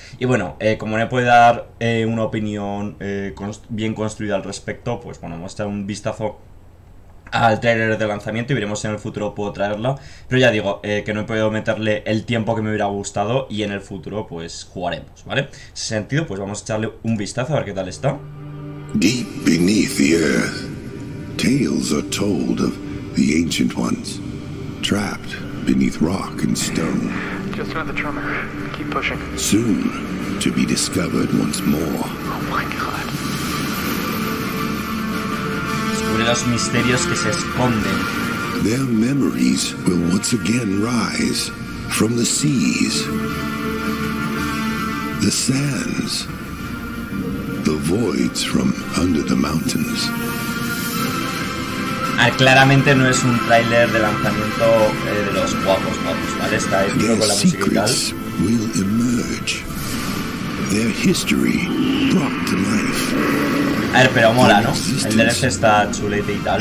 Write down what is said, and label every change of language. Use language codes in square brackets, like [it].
[es] Y bueno, como no puedo dar una opinión bien construida al respecto, pues bueno, mostrar un vistazo al trailer de lanzamiento y veremos si en el futuro puedo traerla. Pero ya digo, que no he podido meterle el tiempo que me hubiera gustado y en el futuro pues jugaremos, ¿vale? En ese sentido, pues vamos a echarle un vistazo a ver qué tal está. [en] Deep beneath the earth, tales are told of the ancient ones, trapped beneath rock and stone. Just another tremor. Keep pushing. Soon to be discovered once more. Oh my god. [es] Descubre los misterios que se esconden. [en] Their memories will once again rise from the seas, the sands, the voids from under the mountains. [es] Claramente no es un tráiler de lanzamiento de los guapos, guapos, ¿vale? Está el [en] Their [es] con la música y tal. [en] Will emerge. Their history brought to life. [es] A ver, pero mola, ¿no? El DLC está chulete y tal.